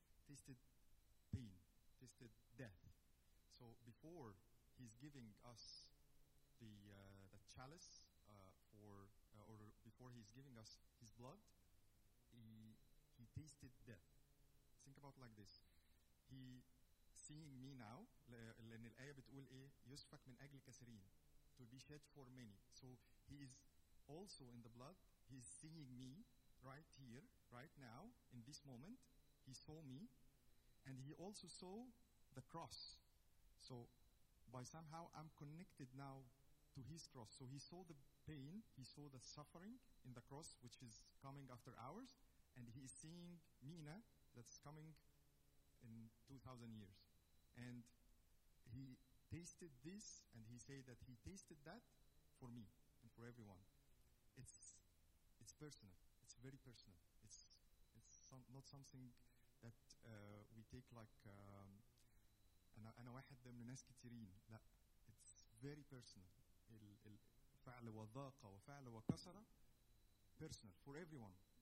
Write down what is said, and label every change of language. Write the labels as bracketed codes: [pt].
[en] Tasted pain. Tasted death. So before he's giving us the chalice or before he's giving us his blood, he tasted death. Think about like this. [ar] He seeing me now, لأن الآية بتقول إيه؟ يسفك من أجل كثيرين. [en] To be shed for many. So he is also in the blood. He is seeing me right here, right now, in this moment. He saw me. And he also saw the cross. So by somehow I'm connected now to his cross. So he saw the pain, he saw the suffering in the cross, which is coming after hours. And he is seeing Mina that's coming in 2,000 years. And he tasted this, and he said that he tasted that for me and for everyone. It's personal. It's very personal. It's not something that we take like أنا واحد من ناس كتيرين. لا, it's very personal. [ar] الفعل وذاقة وفعل وكسرة personal for everyone.